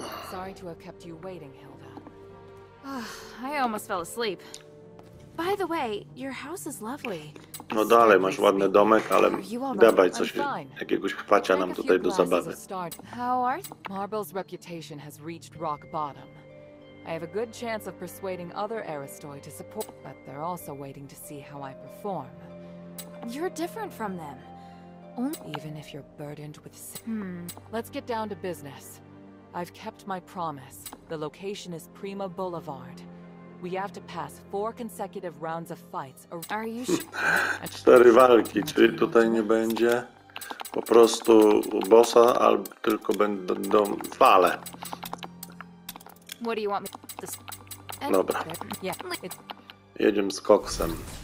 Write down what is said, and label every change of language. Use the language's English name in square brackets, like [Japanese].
[English] Sorry to have kept you waiting, Hilda. I almost fell asleep. By the way, your house is lovely. [Polish] No dalej, masz ładny domek, ale dawaj coś, jakiegoś chwacia nam tutaj do zabawy. [English] How are you? Marble's reputation has reached rock bottom. I have a good chance of persuading other Aristoi to support, but they're also waiting to see how I perform. You're different from them. Even if you're burdened with let's get down to business. I've kept my promise. The location is Prima Boulevard. We have to pass four consecutive rounds of fights. Are you sure? [Polish] Cztery walki, czyli tutaj nie będzie po prostu bossa, albo tylko będą fale. [English] What do you want me to say? [Polish] Dobra. Jedziemy z koksem.